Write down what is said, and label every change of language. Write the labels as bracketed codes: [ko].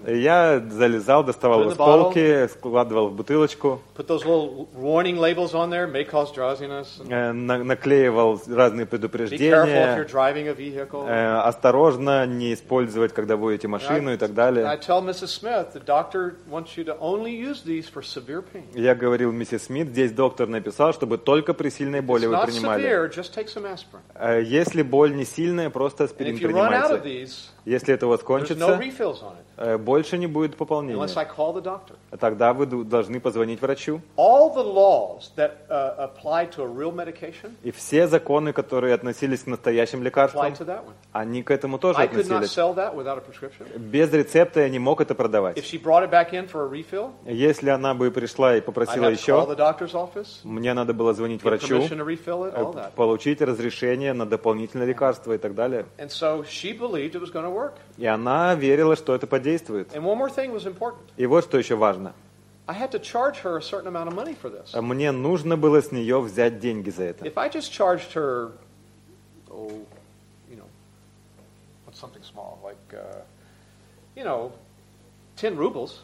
[ru] Я залезал, доставал из полки, складывал в бутылочку. [en] Put those little warning labels on there, may cause drowsiness. [ru] Наклеивал разные предупреждения. [en] Be careful if you're driving a vehicle. [ru] Осторожно, не использовать, когда водите машину и так далее. [en] I tell Mrs. Smith, the doctor wants you to only use these for severe pain. [ru] Я говорил миссис Смит, здесь доктор написал, чтобы только при сильной боли вы принимали. [en] It's not severe, just take some aspirin. [ru] Если боль не сильная, просто просто аспирин принимается. Если это у вас кончится, больше не будет пополнения. Тогда вы должны позвонить врачу. И все законы, которые относились к настоящим лекарствам, они к этому тоже относились. Без рецепта я не мог это продавать. Если она бы пришла и попросила еще, мне надо было звонить врачу, получить разрешение на дополнительное лекарство и так далее. [en] And so she believed it was going to work. [ru] И она верила, что это подействует. [en] And one more thing was important. [ru] И вот что еще важно. [en] I had to charge her a certain amount of money for this. [ru] Мне нужно было с нее взять деньги за это. [en] If I just charged her, something small, like 10 rubles.